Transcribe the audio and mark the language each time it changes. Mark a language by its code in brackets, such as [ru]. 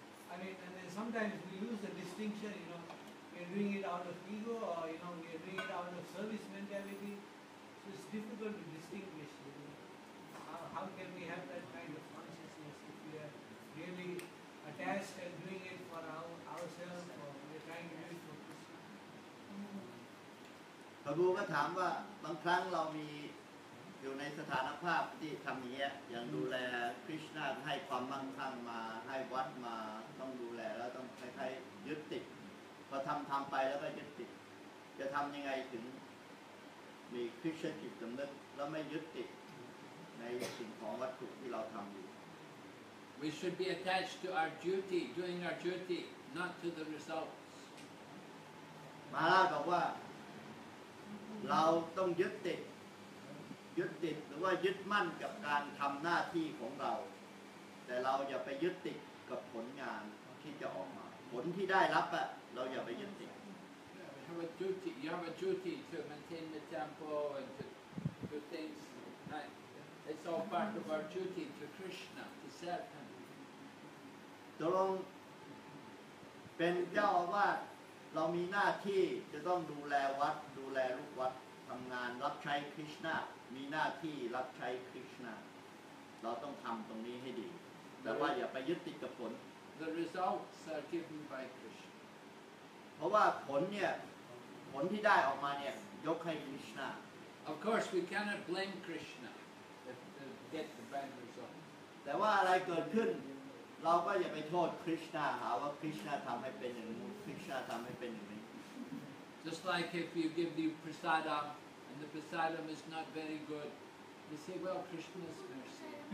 [en] I mean, and then sometimes we lose the distinction, you know. We're doing it out of ego, or you know, we're doing it out of service mentality. So it's difficult to distinguish. You know. How can we have that kind of consciousness if we are really attached and doing it for ourselves, or we're trying to do it for Krishna? [th] พระครูก็ถามว่าบางครั้งเรามีอยู่ในสถานภาพที่ทำอย่างนี้อย่างดูแลคริสนาให้ความมั่งคั่งมาให้วัดมาต้องดูแลแล้วต้องใครๆยึดติดพอทำไปแล้วก็ยึดติดจะทำยังไงถึง มีคริสตจิตสำนึกและไม่ยึดติดในสิ่งของวัตถุที่เราทำอยู่ [en] We should be attached to our duty, doing our duty, not to the results. [th] มาลาบอกว่าเราต้องยึดติดหรือว่ายึดมั่นกับการทำหน้าที่ของเราแต่เราอย่าไปยึดติดกับผลงานที่จะออกมาผลที่ได้รับอะเราอย่าไปยึดติด [en] Have a duty. You have a duty to maintain the temple and to do things. It's all part of our duty to Krishna, to serve him. [th] ตกลงเป็นเจ้าอาวาสเรามีหน้าที่จะต้องดูแลวัดดูแลลูกวัดทำงานรับใช้คริสต์นามีหน้าที่รับใช้คริสต์นาเราต้องทำตรงนี้ให้ดีแต่ว่าอย่าไปยึดติดกับผล [en] The results are given by Krishna [th] เพราะว่าผลเนี่ยผลที่ได้ออกมาเนี่ยยกให้คริสต์นา [en] Of course we cannot blame Krishna to get the bad result [th] แต่ว่าอะไรเกิดขึ้นเราก็อย่าไปโทษคริสต์นาหาว่าคริสต์นาทำให้เป็นอย่างนู้นคริสต์นาทำให้เป็นอย่างนี้ [en] Just like if you give the prasadam and the prasadam is not very good, you say, "Well, Krishna's mercy."